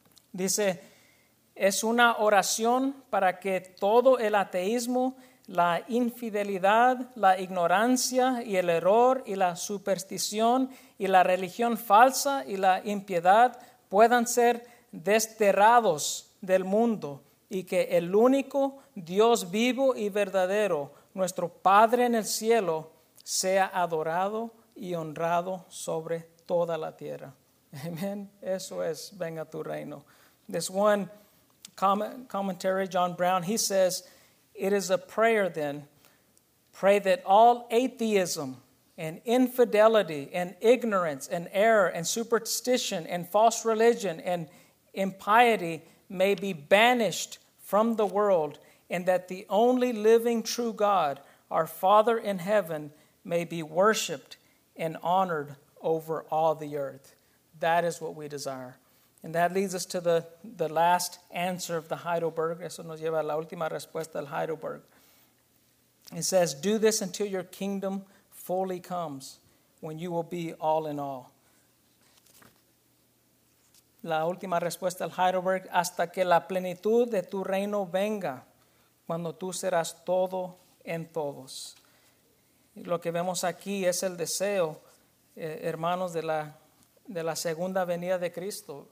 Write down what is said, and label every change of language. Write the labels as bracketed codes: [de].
[es] Dice, es una oración para que todo el ateísmo, la infidelidad, la ignorancia y el error y la superstición y la religión falsa y la impiedad puedan ser desterrados del mundo y que el único Dios vivo y verdadero, nuestro Padre en el cielo, sea adorado y honrado sobre toda la tierra. Amén. Eso es, venga tu reino. [en] This one commentary, John Brown, he says, it is a prayer then. Pray that all atheism and infidelity and ignorance and error and superstition and false religion and impiety may be banished from the world and that the only living true God, our Father in heaven, may be worshipped and honored over all the earth. That is what we desire. And that leads us to the last answer of the Heidelberg. [es] Eso nos lleva a la última respuesta del Heidelberg. [en] It says, do this until your kingdom fully comes, when you will be all in all. [es] La última respuesta del Heidelberg, hasta que la plenitud de tu reino venga, cuando tú serás todo en todos. Lo que vemos aquí es el deseo, hermanos, de la segunda venida de Cristo.